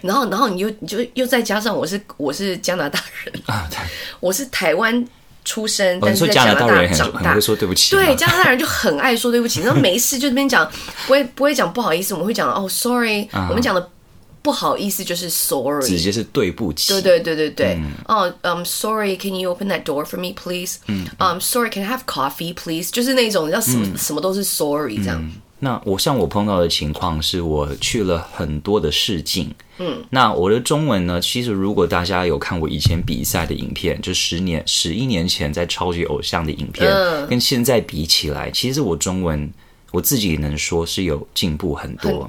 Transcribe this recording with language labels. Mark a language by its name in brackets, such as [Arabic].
[Chinese] 然后你就再加上我是加拿大人、我是台湾出生，但是在加拿大人长大，很会说对不起。对，加拿大人就很爱说对不起，然后没事就那边讲，不会讲不好意思，我们会讲哦 ，sorry，、我们讲的不好意思就是 sorry，直接是对不起。对对对对对，哦、， [English] I'm sorry， can you open that door for me please？嗯、，I'm sorry， can I have coffee please？ [Chinese] 就是那种叫什么、什么都是 sorry 这样。那我像我碰到的情况是我去了很多的试镜，那我的中文呢，其实如果大家有看我以前比赛的影片，就11年前在超级偶像的影片、跟现在比起来，其实我中文我自己能说是有进步很多，